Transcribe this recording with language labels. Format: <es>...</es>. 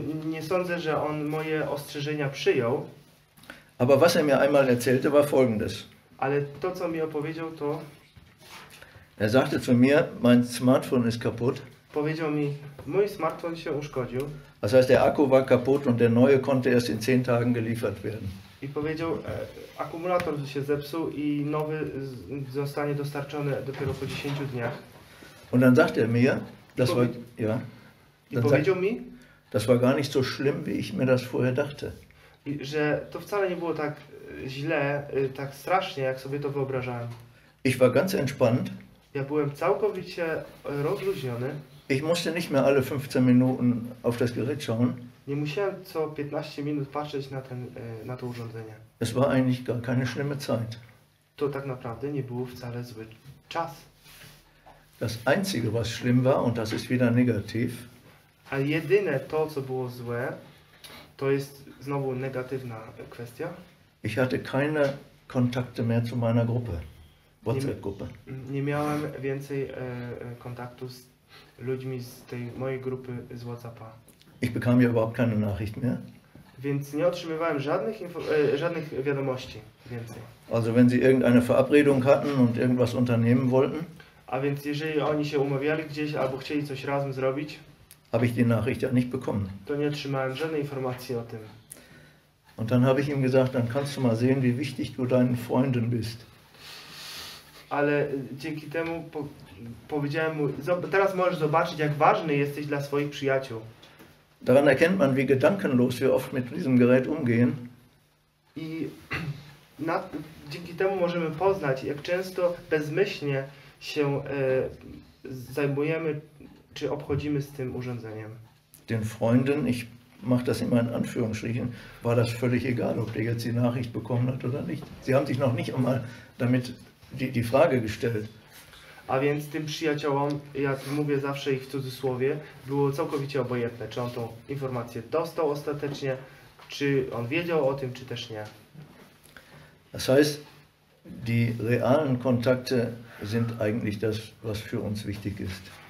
<pl>Nie sądzę, że on moje ostrzeżenia przyjął.</pl> <de>Aber was er mir einmal erzählte, war folgendes.</de> <pl>Ale to, co mi opowiedział, to...</pl> <de>Er sagte zu mir, mein Smartphone ist kaputt.</de> <pl>Powiedział mi, mój smartfon się uszkodził.</pl> <de>Das heißt, der Akku war kaputt und der neue konnte erst in 10 Tagen geliefert werden.</de> <pl>I powiedział, akumulator się zepsuł i nowy zostanie dostarczony dopiero po 10 dniach.</pl> <de>Und dann sagte er mir, das war, ja. Dann</de> <pl>powiedział mi,</pl> <de>das war gar nicht so schlimm, wie ich mir das vorher dachte.</de> <pl>Że to wcale nie było tak źle, tak strasznie, jak sobie to wyobrażałem.</pl> <de>Ich war ganz entspannt.</de> <pl>Ja byłem całkowicie rozluźniony.</pl> <de>Ich musste nicht mehr alle 15 Minuten auf das Gerät schauen.</de> <pl>Nie musiałem co 15 minut patrzeć na to urządzenie.</pl> <de>Es war eigentlich gar keine schlimme Zeit.</de> <pl>To tak naprawdę nie był wcale zły czas.</pl> <de>Das Einzige, was schlimm war, und das ist wieder negativ.</de> <pl>A jedyne to, co było złe, to jest znowu negatywna kwestia.</pl> <de>Ich hatte keine Kontakte mehr zu meiner Gruppe. WhatsApp-Gruppe.</de> <pl>Nie miałem więcej kontaktu z ludźmi z tej mojej grupy z WhatsAppa.</pl> <de>Ich bekam ja überhaupt keine Nachricht mehr.</de> <pl>Więc nie otrzymywałem żadnych żadnych wiadomości więcej.</pl> <de>Also wenn sie irgendeine Verabredung hatten und irgendwas unternehmen wollten.</de> <pl>A więc jeżeli oni się umawiali gdzieś albo chcieli coś razem zrobić.</pl> <de>Habe ich die Nachricht ja nicht bekommen.</de> <pl>To nie otrzymałem żadnej informacji o tym.</pl> <de>Und dann habe ich ihm gesagt, dann kannst du mal sehen, wie wichtig du deinen Freunden bist.</de> <pl>Ale dzięki temu powiedziałem mu, teraz możesz zobaczyć, jak ważny jesteś dla swoich przyjaciół.</pl> <de>Daran erkennt man, wie gedankenlos wir oft mit diesem Gerät umgehen.</de> <pl>I dzięki temu możemy poznać, jak często bezmyślnie się zajmujemy czy obchodzimy z tym urządzeniem.</pl> <de>Den Freunden, ich mach das immer in Anführungsstrichen, war das völlig egal, ob der jetzt die Nachricht bekommen hat oder nicht. Sie haben sich noch nicht einmal damit die Frage gestellt.</de> <pl>A więc tym przyjaciołom, jak mówię zawsze ich w cudzysłowie, było całkowicie obojętne, czy on tą informację dostał ostatecznie, czy on wiedział o tym, czy też nie.</pl> <de>Das heißt, die realen Kontakte sind eigentlich das, was für uns wichtig ist.</de>